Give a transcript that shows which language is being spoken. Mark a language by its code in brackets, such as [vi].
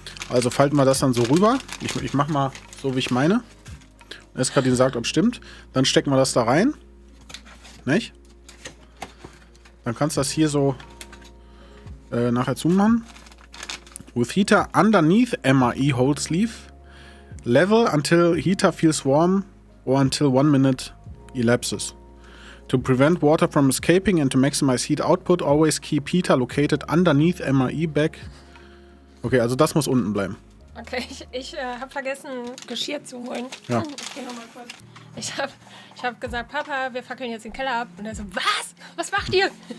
[de] Also falten wir das dann so rüber. Ich mach mal so, wie ich meine. Eskadin sagt, ob stimmt. Dann stecken wir das da rein. Nicht? Dann kannst du das hier so nachher zumachen. [en] With heater underneath MRI hold sleeve. Level until heater feels warm or until 1 minute elapses. To prevent water from escaping and to maximize heat output, always keep heater located underneath MRI bag. [de] Okay, also das muss unten bleiben. Okay, ich habe vergessen, Geschirr zu holen. Ja. Ich geh nochmal kurz. Ich hab gesagt, Papa, wir fackeln jetzt den Keller ab. Und er so, was? Was macht ihr?